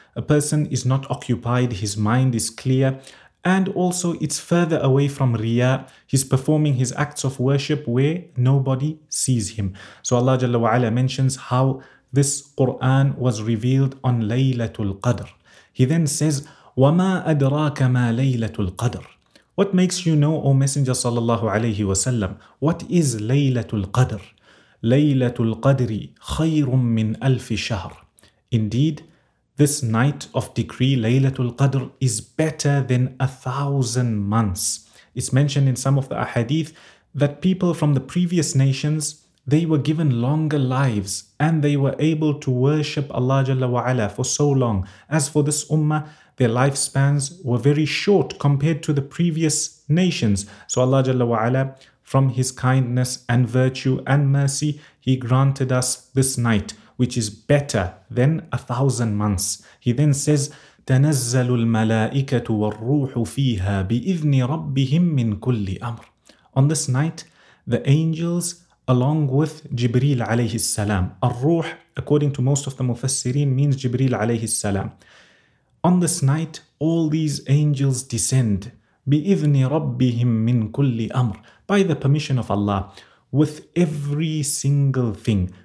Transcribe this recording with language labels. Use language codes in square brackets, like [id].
[en] A person is not occupied, his mind is clear, and also it's further away from Riya. He's performing his acts of worship where nobody sees him. So Allah Jalla wa Ala mentions how this Quran was revealed on Laylatul Qadr. He then says, [ar] وَمَا أَدْرَاكَ مَا لَيْلَةُ الْقَدْرِ. [en] What makes you know, O Messenger sallallahu alayhi wa sallam, what is Laylatul Qadr? Laylatul Qadri khayrun min alfi shahr. Indeed, this night of decree, Laylatul Qadr, is better than 1,000 months. It's mentioned in some of the ahadith that people from the previous nations, they were given longer lives and they were able to worship Allah Jalla wa Ala for so long. As for this ummah, their lifespans were very short compared to the previous nations. So Allah Jalla wa Ala, from His kindness and virtue and mercy, He granted us this night, which is better than 1,000 months. He then says, [ar] تَنَزَّلُ الْمَلَائِكَةُ وَالرُّوحُ فِيهَا بِإِذْنِ رَبِّهِمْ مِنْ كُلِّ أَمْرٍ. [en] On this night, the angels, along with Jibreel alayhi salam, الروح, according to most of the Mufassirin, means Jibreel alayhi salam. On this night, all these angels descend, [ar] بِإِذْنِ رَبِّهِمْ مِنْ كُلِّ أَمْرٍ, [en] by the permission of Allah, with every single thing.